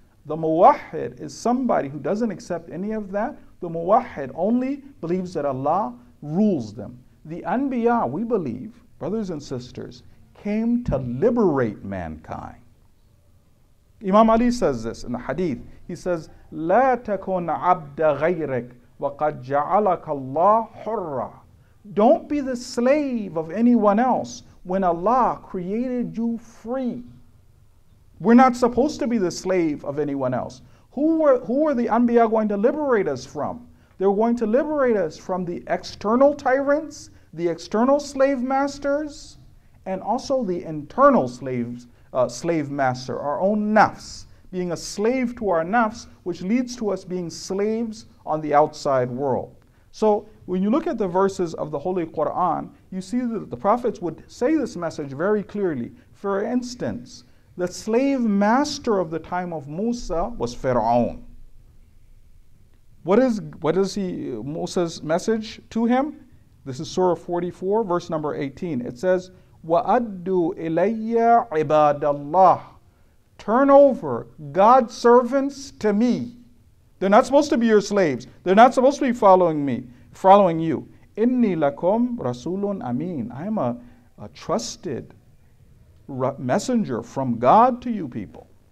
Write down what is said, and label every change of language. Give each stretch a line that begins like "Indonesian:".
English: The muwahhid is somebody who doesn't accept any of that. The muwahhid only believes that Allah rules them. The anbiya, we believe, brothers and sisters, came to liberate mankind. Imam Ali says this in the hadith. He says,
Arabic: لا تكن عبد غيرك وقد جعلك الله حرا.
English: Don't be the slave of anyone else when Allah created you free. We're not supposed to be the slave of anyone else. Who are the anbiya going to liberate us from? They're going to liberate us from the external tyrants, the external slave masters, and also the internal slave master, our own nafs, being a slave to our nafs, which leads to us being slaves on the outside world. So when you look at the verses of the Holy Quran, you see that the prophets would say this message very clearly. For instance, the slave master of the time of Musa was Fir'aun. What is Musa's message to him? This is Surah 44, verse number 18. It says,
Arabic: وَأَدُّوا إِلَيَّ عِبَادَ اللَّهِ.
English: Turn over God's servants to me. They're not supposed to be your slaves. They're not supposed to be following you.
Arabic: إِنِّي لَكُمْ رَسُولٌ أَمِينٌ.
English: I am a trusted messenger from God to you people.